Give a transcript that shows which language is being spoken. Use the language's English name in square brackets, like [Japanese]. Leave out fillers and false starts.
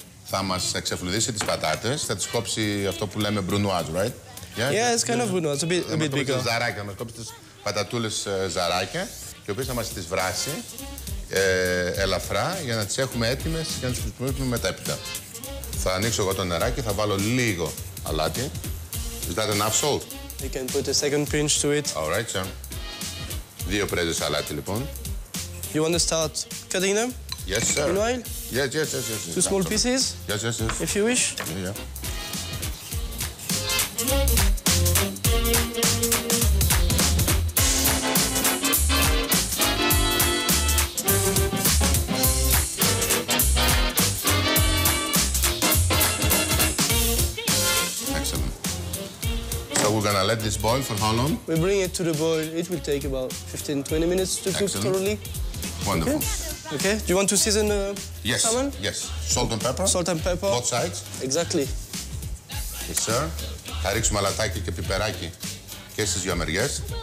[Greek] Θα μας ξεφλουδίσει τις πατάτες, θα τις κόψει αυτό που λέμε brunoise, right? [English] Yeah, yeah, it's kind of brunoise, a bit bigger. [Greek] Θα μας κόψει τις πατατούλες ζαράκια, οι οποίες θα μας τις βράσει ελαφρά, για να τις έχουμε έτοιμες για να τις χρησιμοποιήσουμε μετέπειτα. Θα ανοίξω εγώ το νεράκι, θα βάλω λίγο αλάτι. [English] Is that enough salt? You can put a second pinch to it. All right, sir. [Greek] Δύο πρέζες αλάτι, λοιπόν. [English] You want to start cutting them? Yes, sir. Meanwhile? Yes. Two small pieces? Yes. If you wish. Yeah. Excellent. So we're gonna let this boil for how long? We bring it to the boil. It will take about 15-20 minutes to cook thoroughly. Wonderful. Okay, do you want to season the salmon? Yes, salt and pepper. Salt and pepper. Both sides. Exactly. Yes, sir. [Greek] Θα ρίξουμε αλατάκι και πιπεράκι και στις δυο μεριές.